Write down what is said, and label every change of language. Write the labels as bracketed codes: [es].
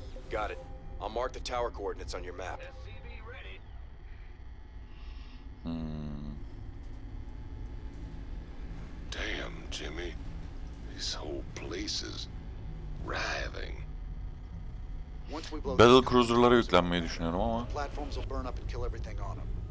[en] Got it. I'll mark the tower coordinates on your map. Damn, Jimmy. This whole place is writhing. Once we blow [tr] Battle Cruiser'lara yüklenmeyi düşünüyorum ama. [en] Platforms will burn up and kill everything on them.